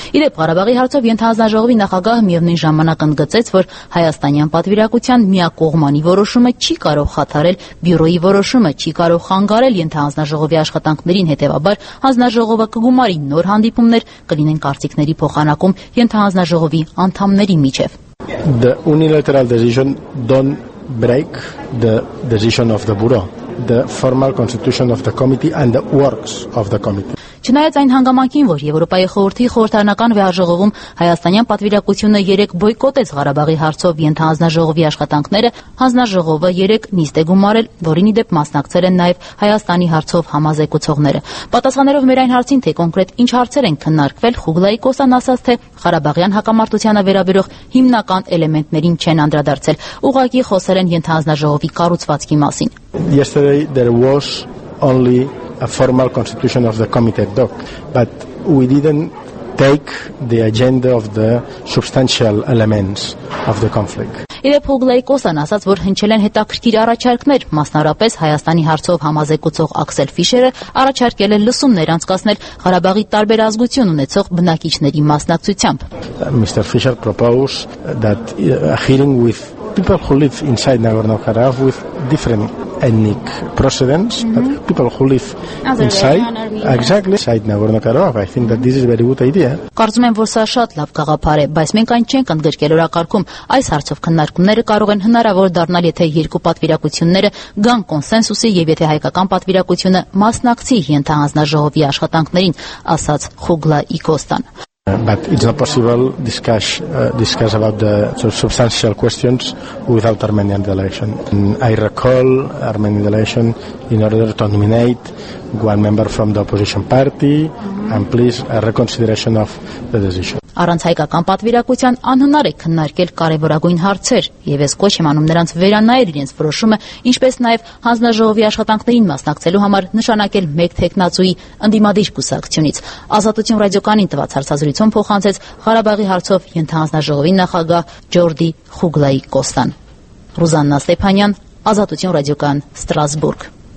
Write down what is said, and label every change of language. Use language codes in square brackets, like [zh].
[hy] Իրեպ Ղարաբաղի հարցով ենթահանձնաժողովի նախագահը միևնույն ժամանակ ընդգծեց, որ հայաստանյան պատվիրակության միակողմանի որոշումը չի կարող խաթարել բյուրոյի որոշումը, չի կարող խանգարել ենթահանձնաժողովի աշխատանքներին, հետեւաբար հանձնաժողովը կգումարի նոր հանդիպումներ, կլինեն կարծիքների փոխանակում ենթահանձնաժողովի անդամների միջև։ [en] The unilateral decision don't break the decision of the bureau, the formal constitution of the committee and the works of the committee. [hy] Չնայած այն հանգամանքին, որ Եվրոպայի խորհրդի խորհրդանական վեաժողովում հայաստանյան պատվիրակությունը 3 բոյկոտեց Ղարաբաղի հարցով ենթահանձնաժողովի աշխատանքները, հանձնաժողովը 3 նիստ է գումարել, որին ի դեպ մասնակցել են նաև հայաստանի հարցով համազեկուցողները։ Պատասխաներով մեր այն հարցին, թե կոնկրետ ինչ հարցեր են քննարկվել, Խուգլայի Կոստան ասաց, թե Ղարաբաղյան հակամարտությանը վերաբերող հիմնական էլեմենտներին չեն անդրադարձել, ուղղակի խոսել են ենթահանձնաժողովի կառուցվածքի մասին։ [en] Yesterday there was only a formal constitution of the committee doc, but we didn't take the agenda of the substantial elements of the conflict. [hy] Իրեփ Ուգլայի Կոստան ասաց, որ հնչել են հետաքրքիր առաջարկներ, մասնարապես Հայաստանի հարցով համազեկուցող Աքսել Ֆիշերը առաջարկել է լսումներ անցկացնել Ղարաբաղի տարբեր ազգություն ունեցող բնակիչների մասնակցությամբ։ [en] Mr. Fisher proposed that a hearing with people who live inside Nagorno-Karabakh with different ethnic precedents, but people who live inside, exactly, inside Nagorno-Karabakh. I think that this is a very good idea. [hy] Կարծում եմ, որ սա շատ լավ գաղափար է, բայց մենք այն չենք ընդգրկել օրակարգում։ Այս հարցով քննարկումները կարող են հնարավոր դառնալ, եթե երկու պատվիրակությունները գան կոնսենսուսի եւ եթե հայկական պատվիրակությունը մասնակցի ենթահանձնաժողովի աշխատանքներին, ասաց Խուգլայի Կոստան։ [en] But it's not possible discuss about the sort of substantial questions without Armenian delegation. And I recall Armenian delegation in order to nominate one member from the opposition party and please a reconsideration of the decision. [hy] Առանց հայկական պատվիրակության անհնար է քննարկել կարևորագույն հարցեր, եւ ես կոչ եմ անում նրանց վերանայել իրենց որոշումը, ինչպես նաեւ հանձնաժողովի աշխատանքներին մասնակցելու համար նշանակել մեկ թեկնածուի ընդդիմադիր կուսակցությունից։ Ազատություն ռադիոկանին տված հարցազրույցում փոխանցեց Ղարաբաղի հարցով ենթահանձնաժողովի նախագահ Ջորդի Խուգլայի Կոստան։ Ռուզաննա Ստեփանյան, Ազատություն ռադիոկան, Ստրասբուրգ։